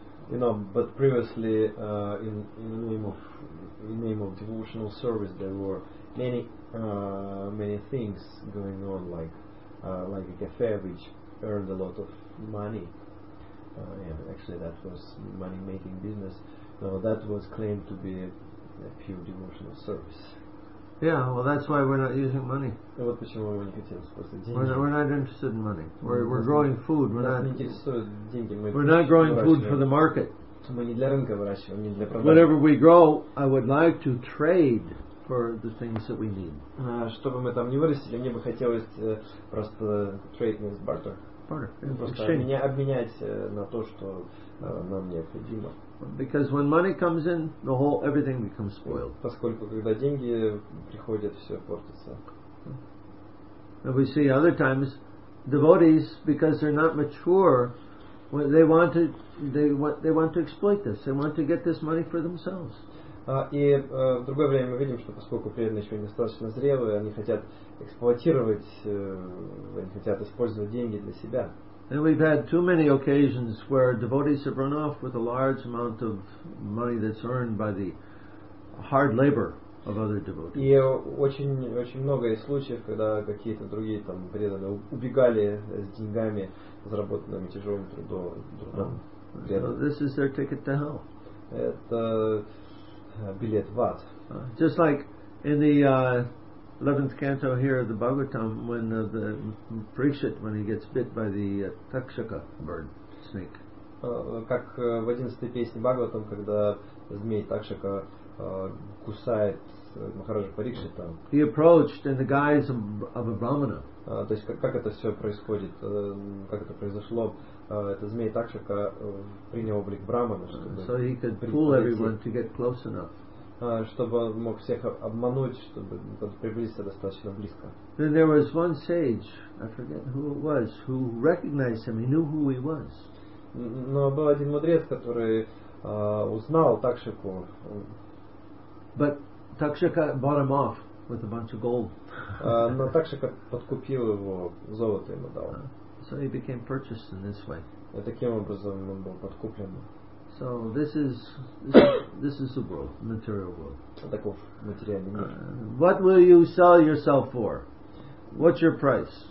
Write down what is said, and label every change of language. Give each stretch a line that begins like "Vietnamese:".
English: You know, but previously, in the name of devotional service, there were many things going on, like a cafe which earned a lot of money, and actually that was money making business. So that was claimed to be a pure devotional service. Yeah, well, that's why we're not using money.
Russian: Вот почему мы не хотим использовать деньги.
English: We're not interested in money. We're growing food. We're not growing food for the market.
Russian: Мы не для рынка выращиваем, не для продажи.
English: Whatever we grow, I would like to trade for the things that we need.
Russian: Чтобы мы там не вырастили, мне бы хотелось просто
English: trade with barter. Barter.
Russian: Просто меня обменять на то, что нам необходимо.
English: Because when money comes in, everything becomes spoiled.
Russian: Поскольку когда деньги приходят, все портится.
English: And we see other times devotees, because they're not mature, they want to exploit this. They want to get this money for themselves.
Russian: В другое время мы видим, что поскольку преданные еще недостаточно зрелые, они хотят эксплуатировать, они хотят использовать деньги для себя.
English: And we've had too many occasions where devotees have run off with a large amount of money that's earned by the hard labor of other devotees.
Russian: И очень очень много есть случаев, когда какие-то другие там преданные убегали с деньгами, заработанными тяжелым трудом.
English: So this is their ticket to hell.
Russian: Это билет в ад.
English: Just like in the 11th canto here of the Bhagavatam, when the Parikshit, when he gets bit by the takshaka bird snake.
Russian: Как в 11-й песне Бхагаватам, когда змей такшака кусает Махараджа Парикшита.
English: He approached in the guise of a brahmana.
Russian: То есть как это все происходит, как это произошло? Это змей такшака принял облик брахмана.
English: So he could fool everyone to get close enough.
Russian: Чтобы он мог всех обмануть, чтобы приблизиться достаточно близко.
English: Then there was one sage, I forget who it was, who recognized him. He knew who he was.
Russian: Но был один мудрец, который узнал Такшаку.
English: But Takshaka bought him off with a bunch of gold.
Russian: Но Такшака подкупил его, золото ему дал.
English: So he became purchased in this way.
Russian: И таким образом он был подкуплен.
English: So this is the world, material world.
Russian: Таков материальный мир.
English: What will you sell yourself for? What's your price?